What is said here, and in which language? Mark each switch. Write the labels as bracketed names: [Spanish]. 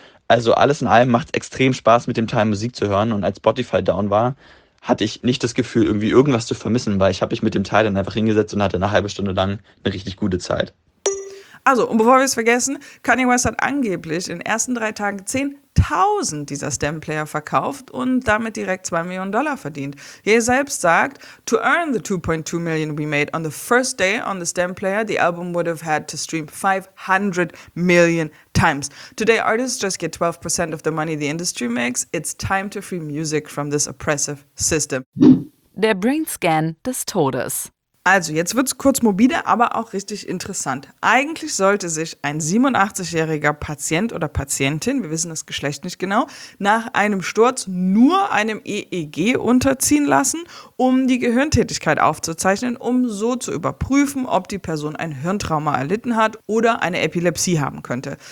[German] Also alles in allem macht es extrem Spaß, mit dem Teil Musik zu hören. Und als Spotify down war, hatte ich nicht das Gefühl, irgendwie irgendwas zu vermissen, weil ich habe mich mit dem Teil dann einfach hingesetzt und hatte eine halbe Stunde lang eine richtig gute Zeit. Also, und bevor wir es vergessen, Kanye West hat angeblich in den ersten 3 Tagen 10.000 dieser Stemplayer verkauft und damit direkt $2 Millionen verdient. Ye selbst sagt, [English] to earn the $2.2 million we made on the first day on the Stemplayer, the album would have had to stream 500 million times. Today artists just get 12% of the money the industry makes. It's time to free music from this oppressive system. [German] Der Brainscan des Todes. Also, jetzt wird es kurz morbide, aber auch richtig interessant. Eigentlich sollte sich ein 87-jähriger Patient oder Patientin, wir wissen das Geschlecht nicht genau, nach einem Sturz nur einem EEG unterziehen lassen, um die Gehirntätigkeit aufzuzeichnen, um so zu überprüfen, ob die Person ein Hirntrauma erlitten hat oder eine Epilepsie haben könnte.